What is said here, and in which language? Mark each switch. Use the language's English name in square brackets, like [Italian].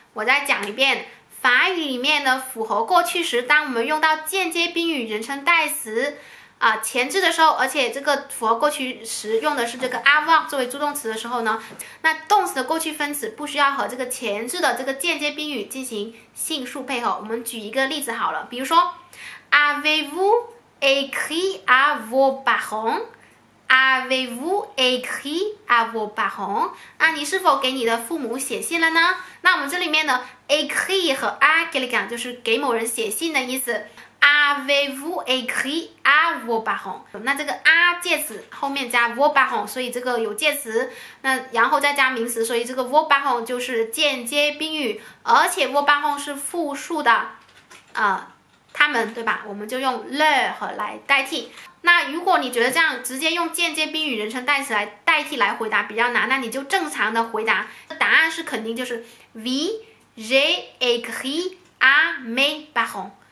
[Chinese] 我再讲一遍，法语里面的复合过去时，当我们用到间接宾语人称代词前置的时候，而且这个复合过去时用的是这个 avoir 作为助动词的时候呢，那动词的过去分词不需要和这个前置的这个间接宾语进行性数配合。我们举一个例子好了，比如说 [French] avez-vous écrit à vos parents? Avez-vous écrit à vos parents? [Chinese] 那你是否给你的父母写信了呢？那我们这里面呢 écrit 和 à quelqu'un 就是给某人写信的意思。 [French] Avez-vous écrit à vos parents? [Chinese] 那这个 à 介词后面加 vos parents， 所以这个有介词，那然后再加名词，所以这个 vos parents 就是间接宾语，而且 vos parents 是复数的他们，对吧？我们就用 leur 来代替。那如果你觉得这样直接用间接宾语人称代词来代替来回答比较难，那你就正常的回答，答案是肯定就是 [French] Oui, j'ai écrit à mes parents。